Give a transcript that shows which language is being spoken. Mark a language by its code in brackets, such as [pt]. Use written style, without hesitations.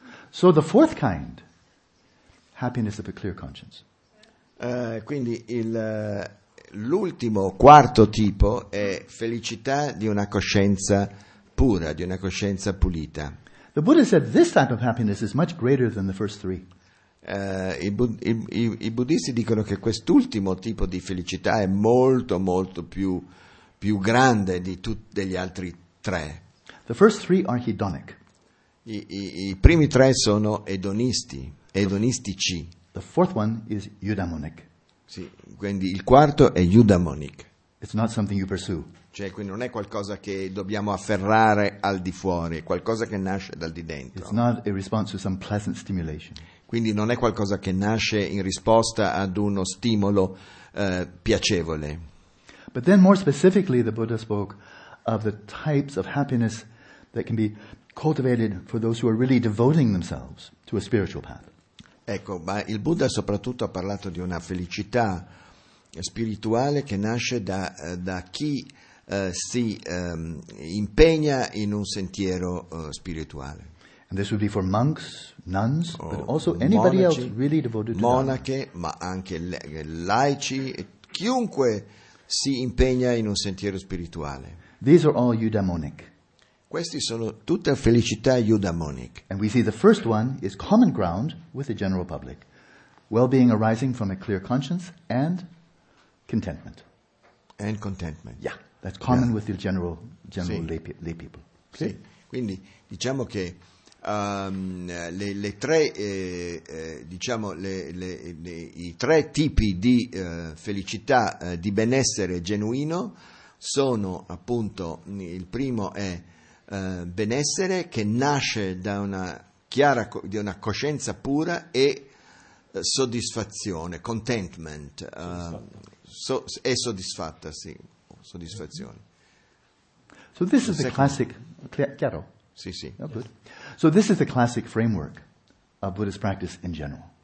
[en] So the fourth kind, happiness of a clear conscience. [it] Quindi l'ultimo, quarto tipo è felicità di una coscienza pura, di una coscienza pulita. [en] The Buddha said this type of happiness is much greater than the first three. [it] I buddhisti dicono che quest'ultimo tipo di felicità è molto molto più grande di tutti gli altri tre. [en] The first three are hedonic. [it] I primi tre sono edonistici. [en] The fourth one is eudaimonic. [it] Sì, quindi il quarto è eudaimonic. [en] It's not something you pursue. [it] Cioè, quindi non è qualcosa che dobbiamo afferrare al di fuori, è qualcosa che nasce dal di dentro. [en] It's not a response to some pleasant stimulation. [it] Quindi non è qualcosa che nasce in risposta ad uno stimolo piacevole. [en] But then more specifically the Buddha spoke of the types of happiness that can be cultivated for those who are really devoting themselves to a spiritual path. [it] Ecco, ma il Buddha soprattutto ha parlato di una felicità spirituale che nasce da chi si impegna in un sentiero spirituale. [en] And this would be for monks, nuns, but also anybody [it] monaci, [en] else really devoted to [it] monache, ma anche laici, chiunque si impegna in un sentiero spirituale. [en] These are all eudaimonic. [it] Questi sono tutta felicità eudaimonic. [en] And we see the first one is common ground with the general public. Well-being arising from a clear conscience and contentment. And contentment. Yeah, that's common with the general lay people. [it] Sì, quindi diciamo che i tre tipi di felicità, di benessere genuino sono appunto, il primo è benessere che nasce da una chiara, di una coscienza pura e soddisfazione, contentment, soddisfatta, sì, soddisfazione. [en] So this is the classic, chiaro? [it] Sì, sì. [en] Oh, good. So this is the classic framework of Buddhist practice in general.